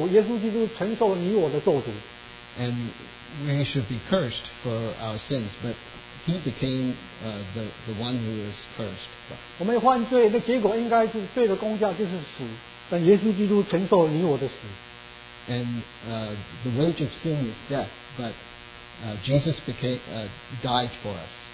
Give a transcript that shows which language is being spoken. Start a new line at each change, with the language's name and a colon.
Chinese: 我们犯罪，我们应该是承受咒诅，耶稣基督承受了你我的咒诅。
English: And we should be cursed for our sins, but He became the one who is cursed.
Chinese: 我们犯罪的结果应该是罪的工价就是死，但耶稣基督承受了你我的死。
English: And the wage of sin is death, but Jesus became died for us.